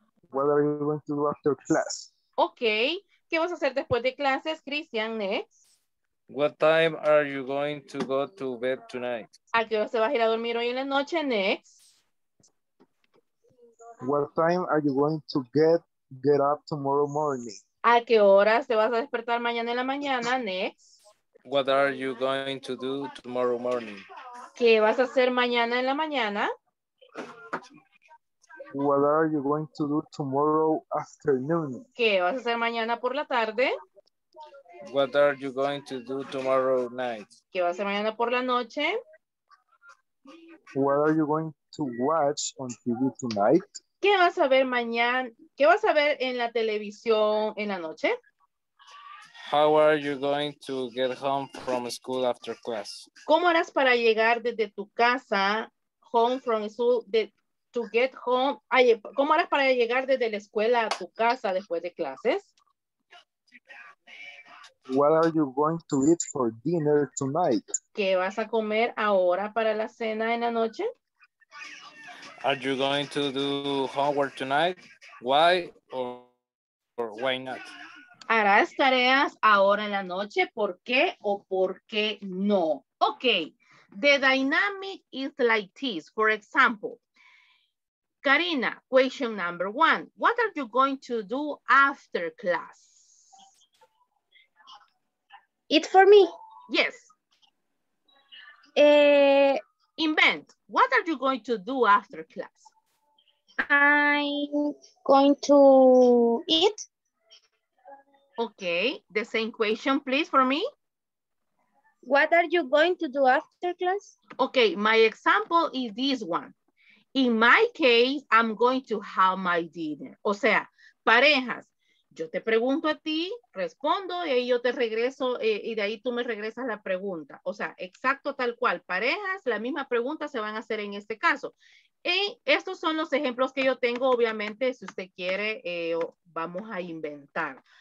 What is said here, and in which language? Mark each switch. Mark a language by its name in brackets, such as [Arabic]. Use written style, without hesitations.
[English] What are you going to do after class? Okay. [Spanish] ¿Qué vas a hacer después de clases, Christian? [English] Next. What time are you going to go to bed tonight? [Spanish] ¿A qué hora se va a ir a dormir hoy en la noche? [English] Next. What time are you going to get up tomorrow morning? [Spanish] ¿A qué hora te vas a despertar mañana en la mañana? [English] Next. What are you going to do tomorrow morning? [Spanish] ¿Qué vas a hacer mañana en la mañana? [English] What are you going to do tomorrow afternoon? [Spanish] ¿Qué vas a hacer mañana por la tarde? [English] What are you going to do tomorrow night? [Spanish] ¿Qué vas a hacer mañana por la noche? [English] What are you going to watch on TV tonight? [Spanish] ¿Qué vas a ver mañana? ¿Qué vas a ver en la televisión en la noche? [English] How are you going to get home from school after class? [Spanish] ¿Cómo harás para llegar desde tu casa [English] home from school to get home? [Spanish] ¿Cómo harás para llegar desde la escuela a tu casa después de clases? [English] What are you going to eat for dinner tonight? [Spanish] ¿Qué vas a comer ahora para la cena en la noche? [English] Are you going to do homework tonight? Why or why not? [Spanish] ¿Harás tareas ahora en la noche? ¿Por qué o por qué no? Ok. [English] The dynamic is like this. For example, Karina, question number one. What are you going to do after class? Eat for me. Yes. Invent. What are you going to do after class? I'm going to eat. Okay, the same question, please, for me. What are you going to do after class? Okay, my example is this one. In my case, I'm going to have my dinner. [Spanish] O sea, parejas, yo te pregunto a ti, respondo, y ahí yo te regreso, y de ahí tú me regresas la pregunta. O sea, exacto tal cual. Parejas, la misma pregunta se van a hacer en este caso. Y estos son los ejemplos que yo tengo, obviamente, si usted quiere, vamos a inventar.